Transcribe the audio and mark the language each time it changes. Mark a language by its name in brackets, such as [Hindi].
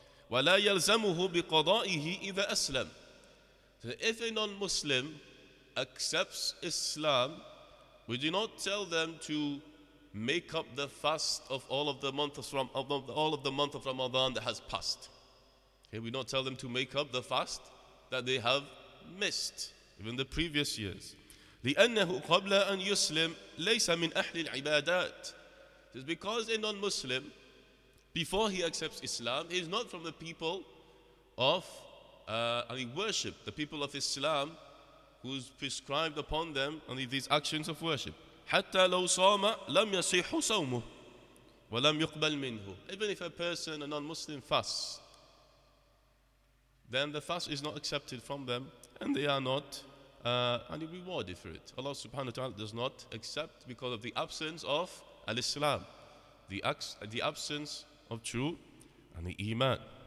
[Arabic] وَلَا يَلْزَمُهُ بِقَضَائِهِ إِذَا أَسْلَمْ. [English] So if a non-Muslim accepts Islam, we do not tell them to make up the fast of all of the month of Ramadan that has passed. Okay, we not tell them to make up the fast that they have missed, even the previous years. [Arabic] لأنه قبل أن يسلم ليس من أهل العبادات. [English] It is because a non-Muslim, before he accepts Islam, he is not from the people of worship, the people of Islam, who's prescribed upon them only these actions of worship. [Arabic] حتى لو صام لم يصح صومه ولم يقبل منه. [English] Even if a person, a non-Muslim, fasts, then the fast is not accepted from them, and they are not rewarded for it. Allah subhanahu wa ta'ala does not accept because of the absence of al-Islam, the absence of true and the iman.